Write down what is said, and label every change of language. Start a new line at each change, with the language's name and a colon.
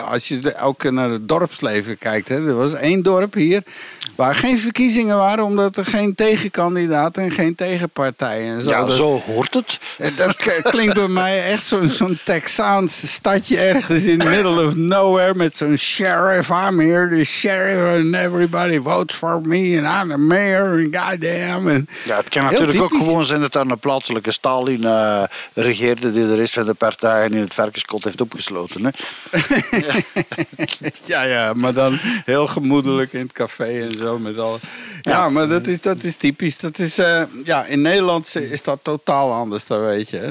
Dutch: Als je ook naar het dorpsleven kijkt. Hè, er was één dorp hier waar geen verkiezingen waren, omdat er geen tegenkandidaat en geen tegenpartij en zo. Ja, zo hoort het. Dat klinkt bij mij echt zo'n Texaans stadje ergens
English: in the middle of nowhere
Dutch: met zo'n sheriff.
English: I'm here, the sheriff, and everybody votes for me and I'm the mayor and goddamn.
Dutch: En ja, het kan natuurlijk typisch. Ook gewoon zijn dat daar een plaatselijke Stalin regeerde die de rest van de partij en in het varkenskot heeft opgesloten. Hè? Ja, maar dan heel gemoedelijk in het café en zo. Met al... Ja, maar dat is typisch. Dat is, in Nederland is dat totaal anders, dat weet je.